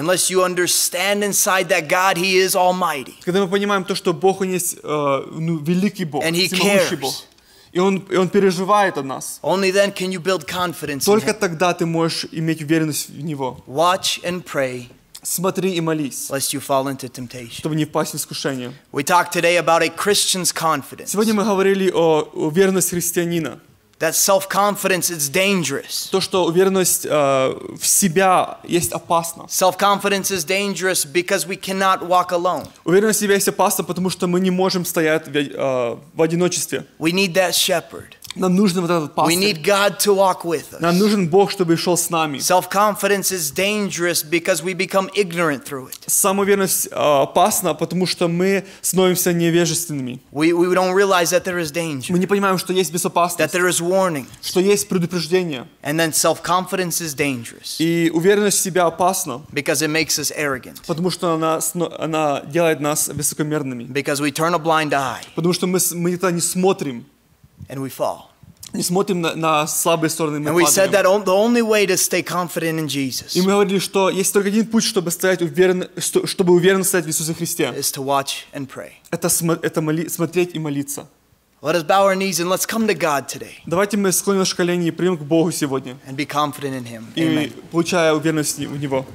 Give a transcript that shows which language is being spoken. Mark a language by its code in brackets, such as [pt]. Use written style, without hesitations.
[en] Unless you understand inside that God, He is Almighty. [ru] Когда мы понимаем то, что Бог, Он есть великий Бог, всемогущий Бог. И он переживает о нас. [en] Only then can you build confidence [ru] Только тогда ты можешь иметь уверенность в Него. [en] Watch and pray. [ru] Смотри и молись. [en] Lest you fall into temptation. [ru] Чтобы не впасть в искушение. [en] We talked today about a Christian's confidence. [ru] Сегодня мы говорили о уверенности христианина. [en] That self-confidence is dangerous. [ru] То, что уверенность в себя есть опасно. [en] Self-confidence is dangerous because we cannot walk alone. [ru] Уверенность в себя есть опасна, потому что мы не можем стоять в одиночестве. [en] We need that shepherd. [ru] Нам нужен вот этот пастырь. [en] We need God to walk with us. [ru] Нам нужен Бог, чтобы шел с нами. [en] Self-confidence is dangerous because we become ignorant through it. [ru] Самоуверенность опасна, потому что мы становимся невежественными. [en] We don't realize that there is danger. [ru] Мы не понимаем, что есть безопасность. [en] That there is warning. [ru] Что есть предупреждение. [en] And then self-confidence is dangerous. [ru] И уверенность в себя опасна. [en] Because it makes us arrogant. [ru] Потому что она делает нас высокомерными. [en] Because we turn a blind eye. [ru] Потому что мы это не смотрим. [en] And we fall. [ru] Не смотрим на слабые стороны, мы падаем. [en] And we said that the only way to stay confident in Jesus. [ru] И мы говорили, что есть только один путь, чтобы уверенно стоять в Иисусе Христе. [en] Is to watch and pray. [ru] Это смотреть и молиться. [en] Let us bow our knees and let's come to God today. [ru] Давайте мы склоним наши колени и придем к Богу сегодня. [en] And be confident in Him. [ru] И получая уверенность в Него.